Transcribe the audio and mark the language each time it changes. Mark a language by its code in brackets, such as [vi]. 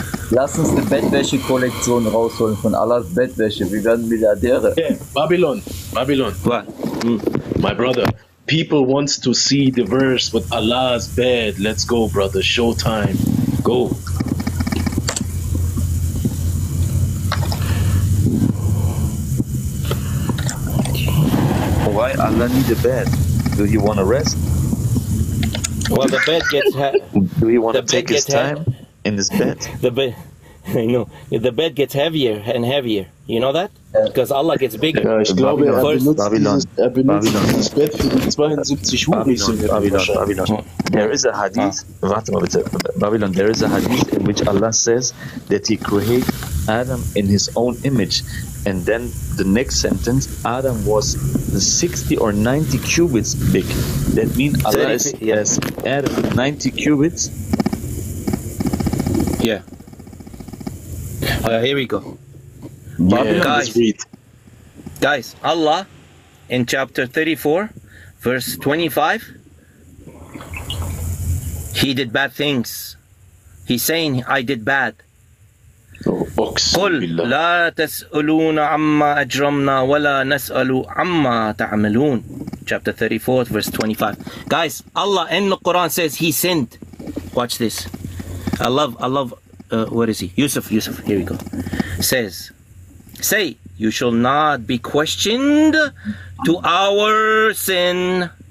[de] Lass uns eine Bettwäsche-Kollektion rausholen von Allahs Bettwäsche. Wir werden Milliardäre. [en] Yeah. Babylon, Babylon. What? My brother, people wants to see the verse with Allah's bed. Let's go, brother. Showtime. Go. Why Allah need a bed? Do you want to rest? Well, the bed gets heavy. Do you want to take his time in his bed? The bed, you know, the bed gets heavier and heavier. You know that? Because Allah gets bigger. [de] Ja, ich glaube, er benutzt dieses Bett für die 72 Huren. [en] Babylon. There is a hadith. Ah. [de] Warte mal bitte. [en] Babylon, there is a hadith in which Allah says that he created Adam in his own image. And then the next sentence, Adam was 60 or 90 cubits big. That means Allah is, yes, Adam 90 cubits. Yeah. Here we go. Yeah, guys, Allah in chapter 34, verse 25, he did bad things. He's saying, I did bad. [ar] قل لا تسألون عما أجرمنا ولا نسأل عما تعملون. [en] Chapter 34, verse 25. Guys, Allah in the Quran says he sinned. Watch this. I love, where is he? Yusuf, here we go. Says, say, you shall not be questioned to our sin.